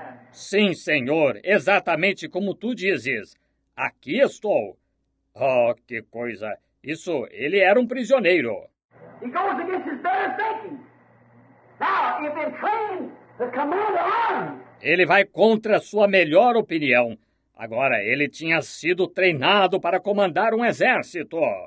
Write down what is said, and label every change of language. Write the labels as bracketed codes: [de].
[pt] Sim, Senhor, exatamente como tu dizes. Aqui estou. Oh, que coisa. Isso, ele era um prisioneiro. [en] He goes against his better thinking. Now, if he trained the commander army. [pt] Ele vai contra sua melhor opinião. Agora, ele tinha sido treinado para comandar um exército.